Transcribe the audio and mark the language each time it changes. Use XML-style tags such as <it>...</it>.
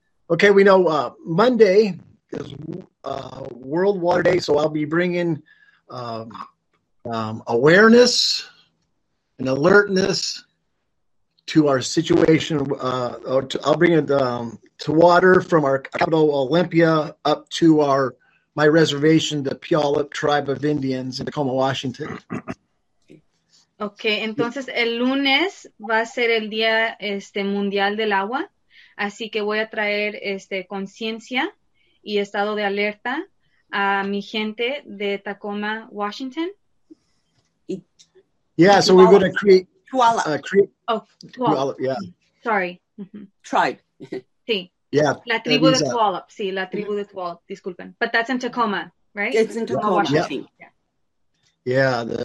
<en>Okay, we know Monday is World Water Day, so I'll be bringing awareness and alertness to our situation. I'll bring it to water from our capital, Olympia, up to my reservation, the Puyallup Tribe of Indians in Tacoma, Washington.</en> <es>Okay, entonces el lunes va a ser el Día Mundial del Agua. Así que voy a traer conciencia y estado de alerta a mi gente de Tacoma, Washington.</es> <en>Yeah, so we're going to create... Puyallup. Puyallup, yeah. Sorry. Mm-hmm. Tribe.</en> <es>Sí.</es> <en>Yeah.</en> <es>La tribu de Puyallup. Sí, la tribu de Puyallup. Disculpen.</es> <en>But that's in Tacoma, right? It's in Tacoma, Washington. Yeah.</en>